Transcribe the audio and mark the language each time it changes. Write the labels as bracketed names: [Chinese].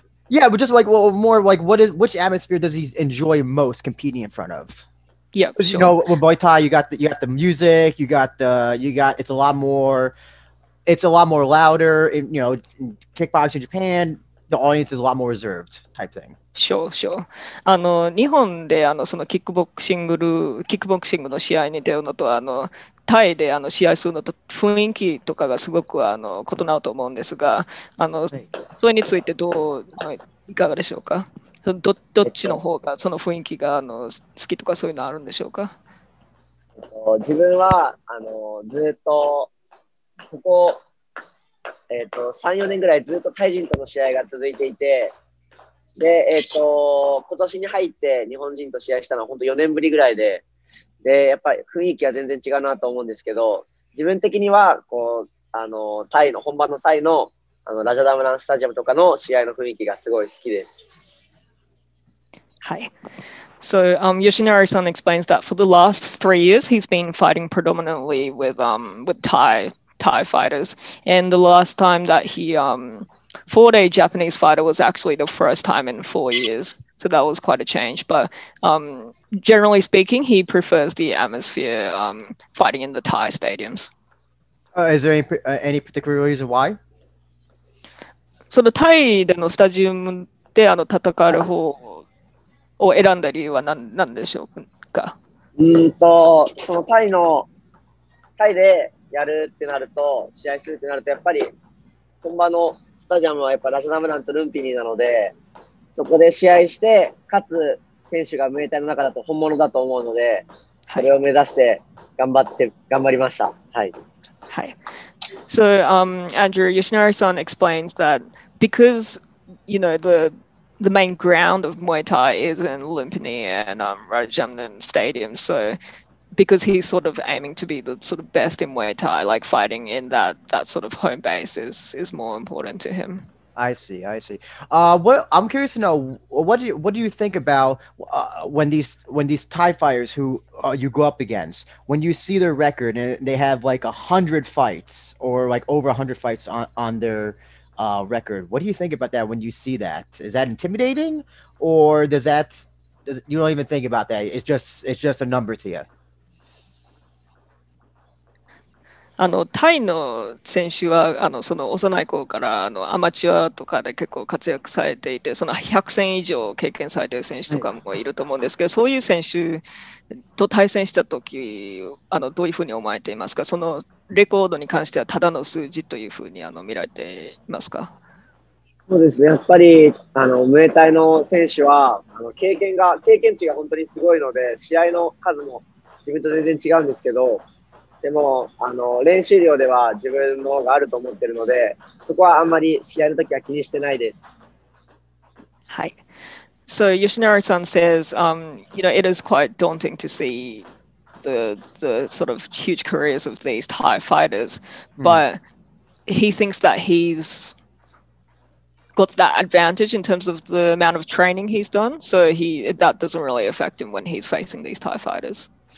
[English] Yeah, but just like, what atmosphere does he enjoy most competing in front of? Yeah, sure. You know, with Muay Thai, you got the music, you got it's a lot more, louder. And, you know, kickboxing in Japan, the audience is a lot more reserved type thing. Sure. [Japanese] あの日本であのそのキックボクシングの試合に出るのとあのタイであの試合するのと雰囲気とかがすごくあの異なると思うんですが、あの、はい、それについてどういかがでしょうか。どっちの方がその雰囲気があの好きとかそういうのあるんでしょうか。自分はあのずっとここ 3,4 年ぐらいずっとタイ人との試合が続いていて、で今年に入って日本人と試合したのは本当4年ぶりぐらいで、でやっぱり雰囲気は全然違うなと思うんですけど、自分的にはこうあのタイの本場のタイのあのラジャダムランスタジアムとかの試合の雰囲気がすごい好きです。はい。 [English] So Yoshinari-san explains that for the last 3 years he's been fighting predominantly with Thai fighters, and the last time that he fought a Japanese fighter was actually the first time in 4 years, so that was quite a change. But generally speaking, he prefers the atmosphere fighting in the Thai stadiums. Is there any particular reason why? So the Thai [Japanese] でのスタジアムであの戦う方を選んだ理由は何でしょうか？そのタイでやるってなると、試合するってなるとやっぱり本場のスタジアムはやっぱラジャダムランとルンピニーなので、そこで試合してかつ選手がムエタイの中だと本物だと思うので、それを目指して頑張りました。はい。はい。 [English] So Andrew Yoshinari-san explains that because you know the main ground of Muay Thai is in Lumpini and Rajamnan Stadium, so because he's sort of aiming to be the sort of best in Muay Thai, like fighting in that sort of home base is more important to him. I see. I'm curious to know what do you think about when these Thai fighters who you go up against, when you see their record and they have like 100 fights or like over 100 fights on their record, what do you think about that when you see that? Is that intimidating, or you don't even think about that? It's just a number to you. [Japanese] あのタイの選手はあのその幼い頃からあのアマチュアとかで結構活躍されていて、その100戦以上経験されている選手とかもいると思うんですけど、はい、そういう選手と対戦した時あのどういうふうに思われていますか？そのレコードに関してはただの数字というふうにあの見られていますか？そうですね、やっぱりあのムエタイの選手はあの経験値が本当にすごいので、試合の数も自分と全然違うんですけど、でもあの練習量では自分の方があると思ってるので、そこはあんまり試合の時は気にしてないです。はい。 [English] So Yoshinari-san says you know, it is quite daunting to see the sort of huge careers of these Thai fighters, but he thinks that he's got that advantage in terms of the amount of training he's done, so that doesn't really affect him when he's facing these Thai fighters.